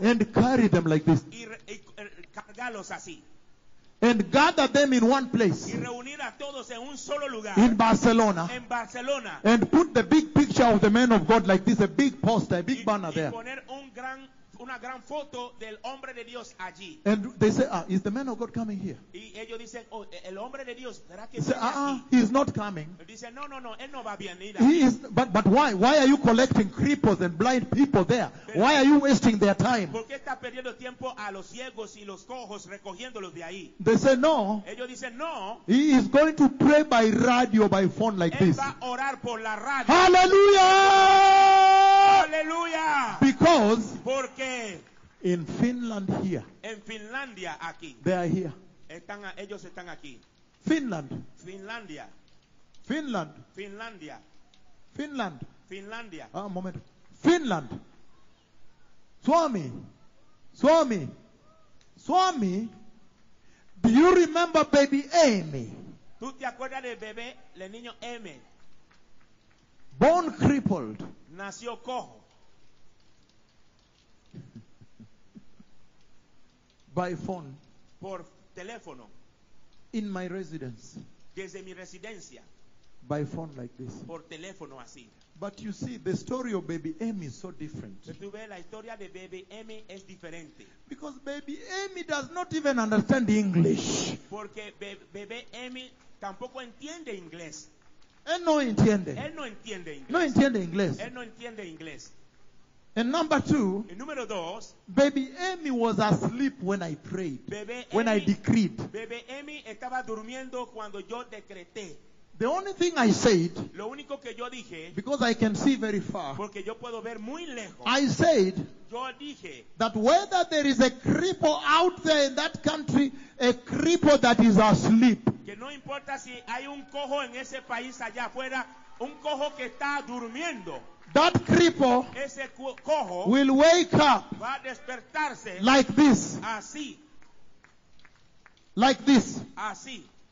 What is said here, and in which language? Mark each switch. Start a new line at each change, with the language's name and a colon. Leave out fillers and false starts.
English: And carry them like this.
Spanish: Y cargarlos así.
English: And gather them in one place.
Spanish: Y reunir a todos en un solo lugar.
English: In Barcelona.
Spanish: En Barcelona.
English: And put the big picture of the man of God like this, a big poster, a big banner there.
Spanish: Y poner un gran una gran foto del hombre de Dios allí.
English: And they say, is the man of God coming here?
Spanish: Y ellos dicen, oh, el hombre de Dios, ¿será que viene aquí?
English: He is not coming.
Spanish: Dicen, no, no, no, él no va a venir.
English: He is, but why? Why are you collecting cripples and blind people there? Pero, why are you wasting their time?
Spanish: ¿Por qué está perdiendo tiempo a los ciegos y los cojos recogiéndolos de ahí?
English: They say, no.
Spanish: Ellos dicen, no.
English: He is going to pray by radio, by phone like
Spanish: él
English: this.
Spanish: Va a orar por la radio. Hallelujah! Hallelujah!
English: Because
Spanish: porque
English: in Finland here.
Spanish: En Finlandia aquí.
English: They are here.
Spanish: Están, ellos están aquí.
English: Finland.
Spanish: Finlandia.
English: Finland.
Spanish: Finlandia.
English: Finland.
Spanish: Finlandia.
English: Ah, moment. Finland. Swami. Swami. Swami. Do you remember baby Amy?
Spanish: ¿Tú te acuerdas del bebé, el niño Amy?
English: Born crippled.
Spanish: Nació cojo.
English: By phone.
Spanish: Por teléfono.
English: In my residence.
Spanish: Desde mi residencia.
English: By phone like this.
Spanish: Por teléfono así.
English: But you see, the story of baby Amy is so different.
Spanish: Pero tú ves, la historia de baby Amy es diferente.
English: Because baby Amy does not even understand English.
Spanish: Porque bebé Amy tampoco entiende inglés. Él no entiende. Él no entiende inglés. No entiende inglés. Él no entiende inglés.
English: And number two,
Spanish: el número dos,
English: baby Amy was asleep when I prayed,
Spanish: bebé when Amy,
English: I decreed.
Spanish: Bebé Amy estaba durmiendo cuando yo decreté.
English: The only thing I said,
Spanish: lo único que yo dije,
English: because I can see very far,
Spanish: porque yo puedo ver muy lejos,
English: I said,
Spanish: yo dije,
English: that whether there is a cripple out there in that country, a cripple that is asleep,
Spanish: que no importa si hay un cojo en ese país allá afuera, un cojo que está durmiendo,
English: that cripple
Spanish: cojo
English: will wake up
Spanish: va a despertarse
English: like this.
Spanish: Así.
English: Like this.
Spanish: Así.